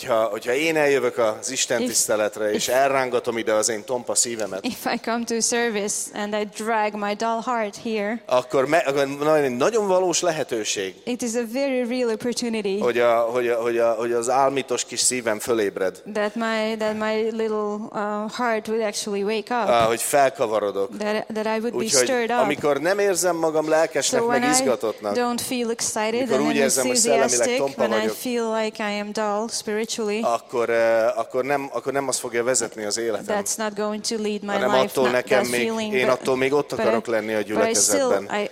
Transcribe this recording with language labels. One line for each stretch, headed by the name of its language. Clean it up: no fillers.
Hungarian: hogyha én eljövök az Isten tiszteletre, és elrángatom ide az én tompa szívemet,
English: if I come to service and I drag my dull heart here,
Hungarian: akkor nagyon valós lehetőség,
English: it is a very real opportunity,
Hungarian: hogy az álmitos kis szívem fölébred,
English: that my little heart would actually wake up,
Hungarian: hogy felkavarodok,
English: that I would
Hungarian: úgy,
English: be stirred up,
Hungarian: amikor nem érzem magam lelkesnek,
English: so
Hungarian: meg izgatottnak,
English: don't feel excited,
Hungarian: amikor úgy érzem,
English: when I feel like I am dull spiritually,
Hungarian: akkor nem az fogja vezetni az életem.
English: That's not going to lead my life.
Hungarian: Hanem attól nekem még, én attól még ott akarok lenni a gyülekezetben.